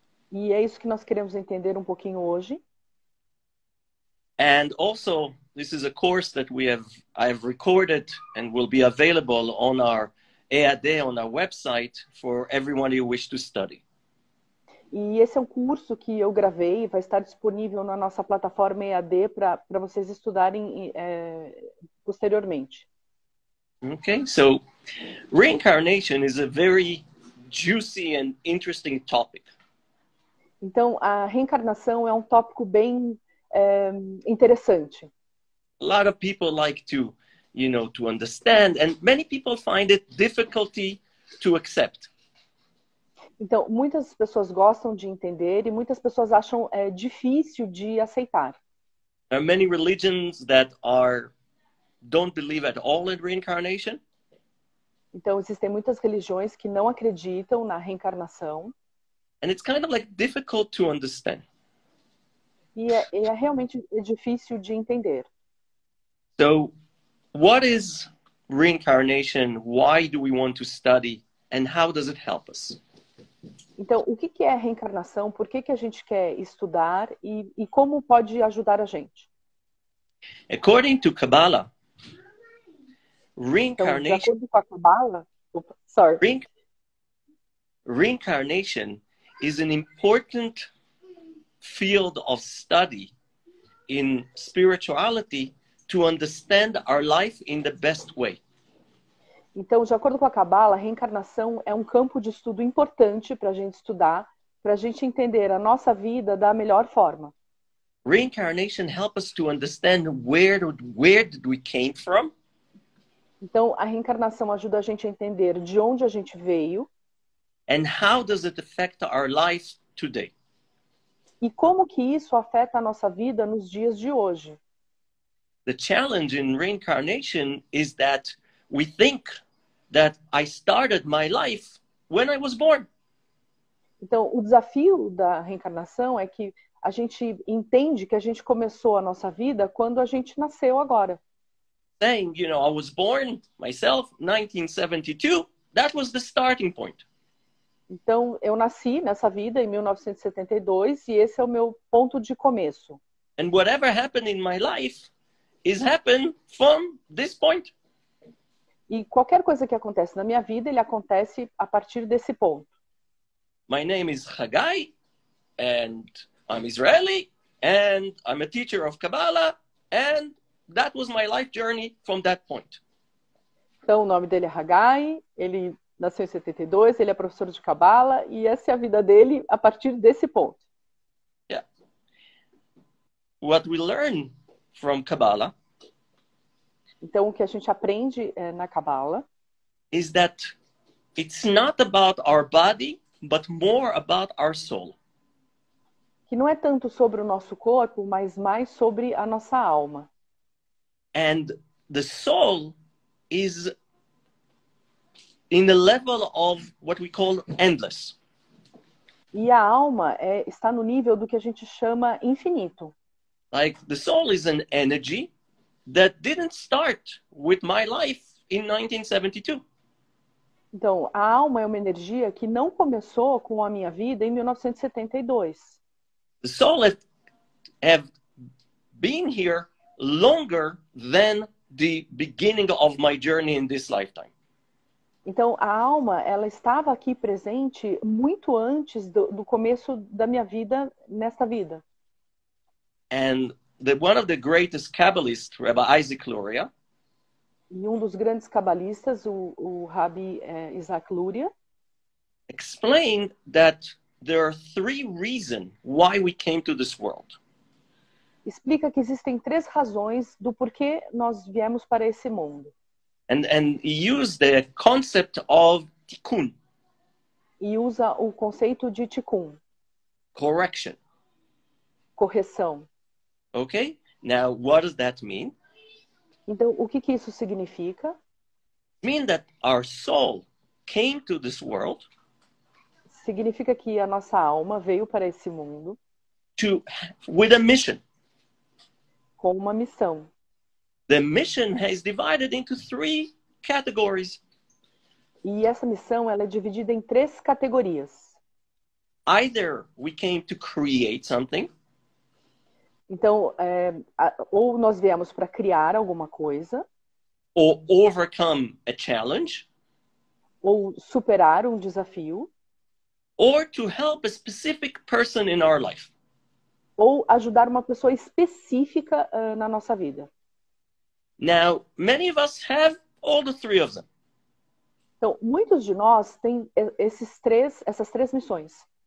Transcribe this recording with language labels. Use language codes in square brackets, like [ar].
[pt] E é isso que nós queremos entender um pouquinho hoje. [en] And also, this is a course that I've recorded and will be available on our EAD, on our website, for everyone who wishes to study. [pt] E esse é um curso que eu gravei, vai estar disponível na nossa plataforma EAD para vocês estudarem posteriormente. [en] Okay, so reincarnation is a very juicy and interesting topic. [pt] Então, a reencarnação é um tópico bem interessante. [en] A lot of people like to, you know, to understand, and many people find it difficulty to accept. [pt] Então, muitas pessoas gostam de entender e muitas pessoas acham difícil de aceitar. [en] There are many religions that don't believe at all in reincarnation. [pt] Então, existem muitas religiões que não acreditam na reencarnação. [en] And it's kind of like difficult to understand. [pt] E é realmente difícil de entender. [en] So, what is reincarnation? Why do we want to study? And how does it help us? [pt] Então, o que é reencarnação? Por que a gente quer estudar? E como pode ajudar a gente? [en] According to Kabbalah, reincarnation is an important field of study in spirituality to understand our life in the best way. [pt] Então, de acordo com a Cabala, reencarnação é um campo de estudo importante para a gente estudar, para a gente entender a nossa vida da melhor forma. [en] Reincarnation helps us to understand where did we came from. [pt] Então, a reencarnação ajuda a gente a entender de onde a gente veio. [en] And how does it affect our life today? [pt] E como que isso afeta a nossa vida nos dias de hoje? [en] The challenge in reincarnation is that we think that I started my life when I was born. [pt] Então, o desafio da reencarnação é que a gente entende que a gente começou a nossa vida quando a gente nasceu agora. [en] Saying, you know, I was born myself 1972, that was the starting point. [pt] Então, eu nasci nessa vida em 1972 e esse é o meu ponto de começo. [en] And whatever happened in my life is happened from this point. [pt] E qualquer coisa que acontece na minha vida, ele acontece a partir desse ponto. [en] My name is Haggai and I'm Israeli and I'm a teacher of Kabbalah and that was my life journey from that point. [pt] Então, o nome dele é Haggai, ele nasceu em 72, ele é professor de Cabala e essa é a vida dele a partir desse ponto. [en] Yeah. What we learn from Kabbalah, [pt] Então, o que a gente aprende na Cabala [en] is that it's not about our body, but more about our soul. [pt] Que não é tanto sobre o nosso corpo, mas mais sobre a nossa alma. [en] And the soul is in the level of what we call endless. [pt] E a alma está no nível do que a gente chama infinito. [en] Like the soul is an energy that didn't start with my life in 1972. [pt] Então, a alma é uma energia que não começou com a minha vida em 1972. [en] The soul have been here longer than the beginning of my journey in this lifetime. [pt] Então, a alma, ela estava aqui presente muito antes do começo da minha vida, nesta vida. [en] And one of the greatest Kabbalists, Rabbi Isaac Luria. [pt] E um dos grandes cabalistas, o Rabbi Isaac Luria. [en] Explained that there are three reasons why we came to this world. [pt] Explica que existem três razões do porquê nós viemos para esse mundo. [en] And use the concept of tikkun. [pt] E usa o conceito de tikkun. [en] Correction. [pt] Correção. [en] Okay? Now, what does that mean? [pt] Então, o que isso significa? [en] Mean that our soul came to this world. [pt] Significa que a nossa alma veio para esse mundo. [en] With a mission. [pt] Com uma missão. [en] The mission is divided into three categories. [pt] E essa missão ela é dividida em três categorias. [en] Either we came to create something. [pt] Então, ou nós viemos para criar alguma coisa. [en] Or overcome a challenge. [pt] Ou superar um desafio. [en] Or to help a specific person in our life. [pt] Ou ajudar uma pessoa específica na nossa vida. [en] Now, many of us have all the three of them. [pt] Então, muitos de nós têm essas três missões.